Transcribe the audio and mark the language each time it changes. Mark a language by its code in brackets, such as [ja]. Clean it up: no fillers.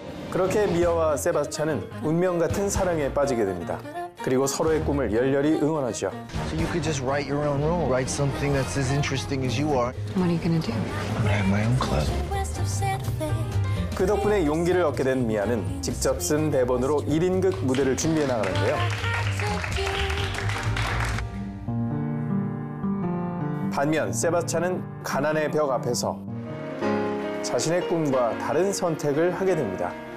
[ko] 그렇게 미아와 세바스찬은 운명 같은 사랑에 빠지게 됩니다. 그리고 서로의 꿈을 열렬히 응원하죠. [en] So you could just write your own rule, write something that's as interesting as you are. What are you gonna do? I'm gonna have my own club. [ko] 그 덕분에 용기를 얻게 된 미아는 직접 쓴 대본으로 1인극 무대를 준비해 나가는데요. 반면 세바스찬은 가난의 벽 앞에서 자신의 꿈과 다른 선택을 하게 됩니다.